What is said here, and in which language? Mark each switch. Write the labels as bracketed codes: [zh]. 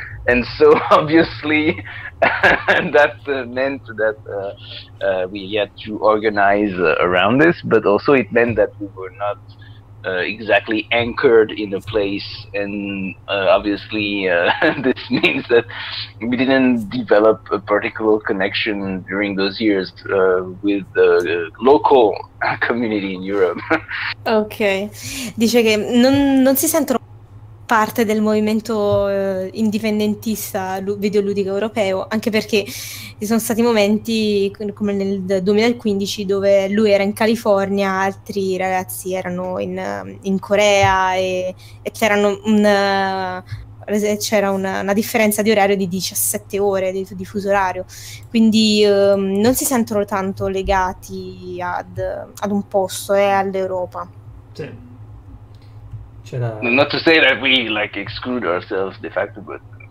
[en] And so obviously that meant that we had to organize around this, but also it meant that we were not exactly anchored in a place. And obviously this means that we didn't develop a particular connection during those years with the local community in Europe. [it] Ok, dice che non si sentono parte del movimento indipendentista videoludico europeo, anche perché ci sono stati momenti come nel 2015 dove lui era in California, altri ragazzi erano in Corea e c'era una differenza di orario di 17 ore di fuso orario, quindi non si sentono tanto legati ad un posto e all'Europa. Sì. [en] Not to say that we like exclude ourselves de facto, but